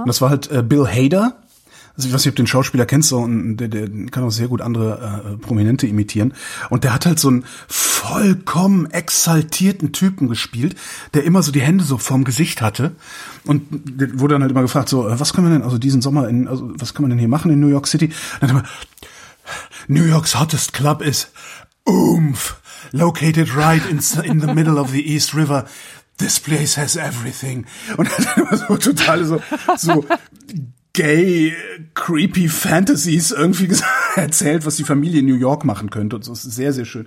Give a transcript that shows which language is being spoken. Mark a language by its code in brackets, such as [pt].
[de] Und das war halt Bill Hader. Also ich weiß nicht, ob du den Schauspieler kennst, so, und der kann auch sehr gut andere Prominente imitieren. Und der hat halt so einen vollkommen exaltierten Typen gespielt, der immer so die Hände so vorm Gesicht hatte. Und der wurde dann halt immer gefragt, so, was können wir denn, also diesen Sommer, was können wir denn hier machen in New York City? Und dann hat er immer, [en] New York's hottest club is Oomf, located right in the middle of the East River. This place has everything. [de] Und er hat immer so total so [en] gay, creepy [de] Fantasies irgendwie erzählt, was die Familie in New York machen könnte. Und so, ist sehr, sehr schön.